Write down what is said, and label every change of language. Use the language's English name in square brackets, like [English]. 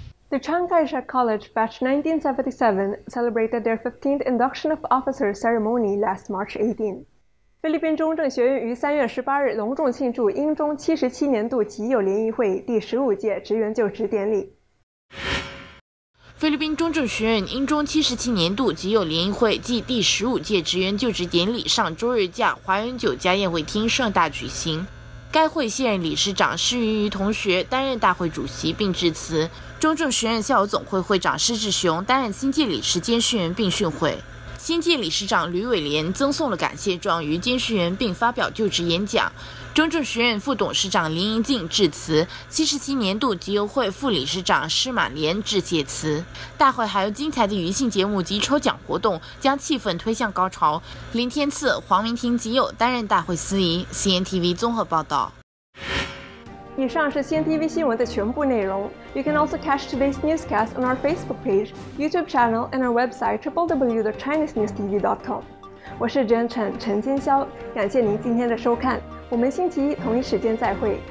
[English] The Chiang Kai-shek College Batch 1977 celebrated their 15th Induction of Officers ceremony last March 18. [Chinese] 菲律宾中正学院于3月18日隆重庆祝英中77年度极友联谊会第15届职员就职典礼。菲律宾中正学院英中77年度极友联谊会暨第15届职员就职典礼上周日驾华园酒家宴会厅盛大举行。该会现任理事长施云瑜同学担任大会主席并致辞，中正学院校友总会会长施志雄担任新晋理事兼训员并训会，新晋理事长吕伟莲赠送了感谢状于兼训员并发表就职演讲，中正学院副董事长林盈静致辞，77年度集邮会副理事长施满莲致谢词。大会还有精彩的余兴节目及抽奖活动，将气氛推向高潮。林天赐、黄明婷集邮担任大会司仪。 CNTV 综合报道。以上是 CNTV 新闻的全部内容。 [English] You can also catch today's newscast on our Facebook page, YouTube channel, and our website www.chinesenewstv.com. [Chinese] 我是主持人陈金霄，感谢您今天的收看。我们星期一同一时间再会。